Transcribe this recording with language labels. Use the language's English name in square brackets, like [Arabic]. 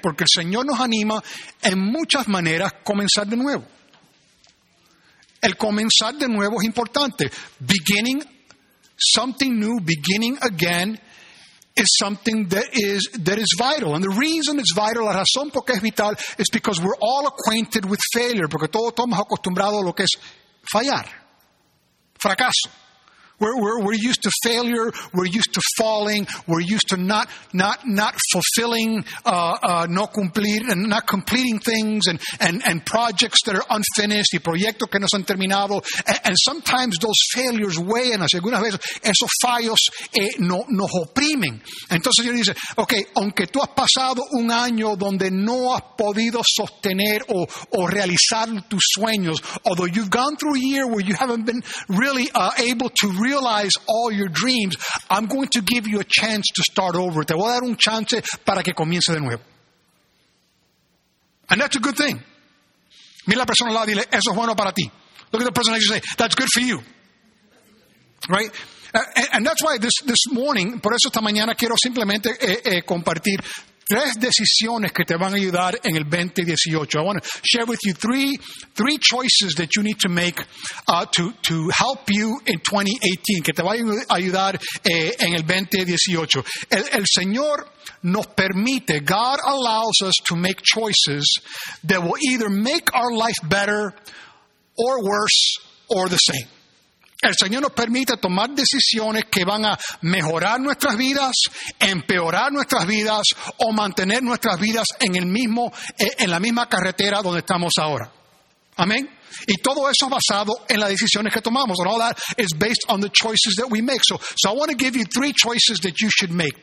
[Spanish] Porque el Señor nos anima en muchas maneras comenzar de nuevo. El comenzar de nuevo es importante. [English] Beginning something new, beginning again, is something that is vital. And the reason it's vital, [Spanish] la razón por qué es vital, [English] is because we're all acquainted with failure. [Spanish] Porque todos estamos acostumbrados a lo que es fallar. [English] Fracaso. We're used to failure. We're used to falling. We're used to not fulfilling, [Spanish] no cumplir, [English] and not completing things and projects that are unfinished, [Spanish] y proyectos que no son terminados. [English] And sometimes those failures weigh in us. [Spanish] Algunas veces esos fallos nos oprimen. Entonces Dios dice, okay, aunque tú has pasado un año donde no has podido sostener o realizar tus sueños, [English] although you've gone through a year where you haven't been really able to realize all your dreams, I'm going to give you a chance to start over. [Spanish] Te voy a dar un chance para que comience de nuevo. [English] And that's a good thing. [Spanish] Mira la persona al lado y dile, eso es bueno para ti. [English] Look at the person and say, that's good for you. Right? And that's why this morning, [Spanish] por eso esta mañana quiero simplemente compartir tres decisiones que te van a ayudar en el 2018. [English] I want to share with you three choices that you need to make to help you in 2018, [Spanish] que te van a ayudar en el 2018. El Señor nos permite, [English] God allows us to make choices that will either make our life better or worse or the same. [Spanish] El Señor nos permite tomar decisiones que van a mejorar nuestras vidas, empeorar nuestras vidas o mantener nuestras vidas en la misma carretera donde estamos ahora. Amén. Y todo eso es basado en las decisiones que tomamos. [English] And all that is based on the choices that we make. So I want to give you three choices that you should make.